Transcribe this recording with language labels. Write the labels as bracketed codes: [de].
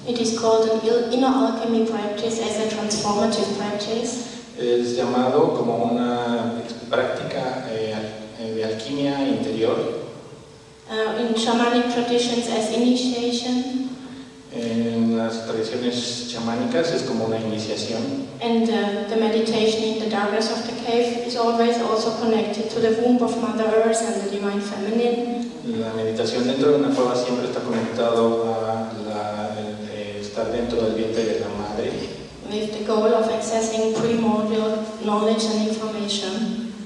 [en] It is called an inner alchemy practice as a transformative practice. [es] Es llamado como una práctica de alquimia interior. [en] In shamanic traditions as initiation. [es] En las tradiciones chamánicas es como una iniciación. [en] And the meditation in the darkness of the cave is always also connected to the womb of Mother Earth and the divine feminine. [es] La meditación dentro de una cueva siempre está conectado a estar dentro del vientre de la madre. [en] With the goal of accessing primordial knowledge and information.